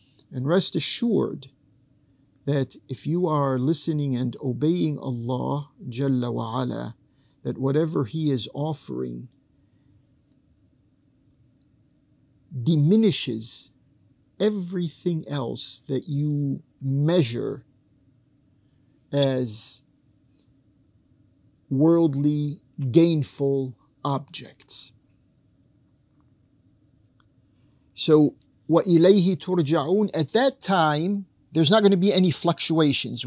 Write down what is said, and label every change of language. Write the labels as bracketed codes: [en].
[en] And rest assured that if you are listening and obeying Allah Jalla wa Ala, that whatever He is offering diminishes everything else that you measure as worldly gainful objects. So, [ar] وَإِلَيْهِ تُرْجَعُونَ. [en] At that time, there's not going to be any fluctuations.